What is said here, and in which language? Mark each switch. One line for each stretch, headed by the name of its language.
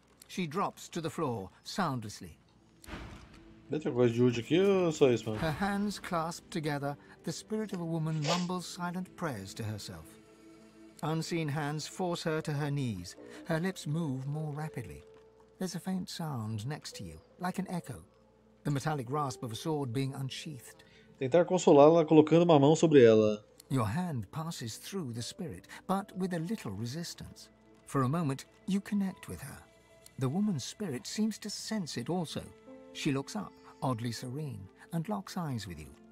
English: She drops to the floor, soundlessly. Her hands clasped together, the spirit of a woman mumbles silent prayers to herself. Unseen hands force her to her knees. Her lips move more rapidly. There's a faint sound next to you, like an echo. The metallic rasp of a sword being unsheathed.
Portuguese: Tentar consolá-la colocando uma mão sobre ela.
English: Your hand passes through the spirit, but with a little resistance. For a moment, you connect with her. The woman's spirit seems to sense it also. She looks up, oddly serene, and locks eyes with you.